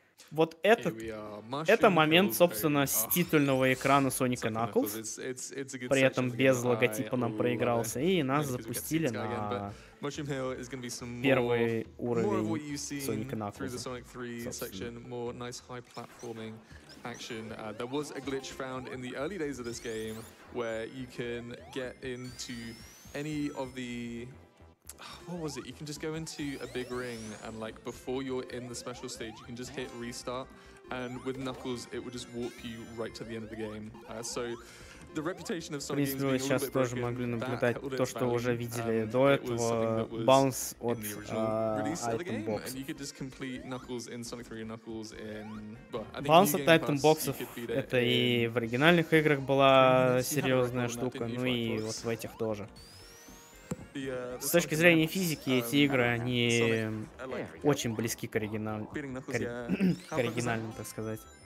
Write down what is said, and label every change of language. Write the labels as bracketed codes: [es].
[ru] Вот это момент, собственно, с титульного экрана Sonic & Knuckles, при этом без логотипа нам проигрался, и нас запустили на первый уровень Sonic & [en] Knuckles. Action. There was a glitch found in the early days of this game where you can get into any of the you can just go into a big ring and like before you're in the special stage you can just hit restart and with Knuckles it would just warp you right to the end of the game. So the reputation of Sonic games being a little bit broken, that held it back. You could just complete Knuckles in Sonic 3 and Knuckles in. [ru] Bounce от Item Box'ов, это и в оригинальных играх была серьезная штука, ну и вот в этих тоже. С точки зрения физики, эти игры, они очень близки к оригинальным, так сказать.